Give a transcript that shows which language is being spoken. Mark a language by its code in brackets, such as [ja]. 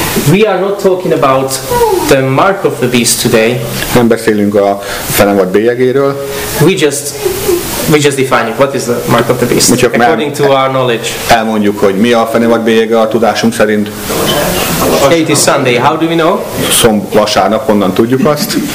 [en] We are not talking about the mark of the beast today. [hu] Nem beszélünk a fenevad bélyegéről. [en] We just define it. What is the mark of the beast? According to our knowledge. [hu] Elmondjuk, hogy mi a fenevad bélyege a tudásunk szerint. [en] It is Sunday. How do we know? [hu] Vasárnap, onnan tudjuk azt.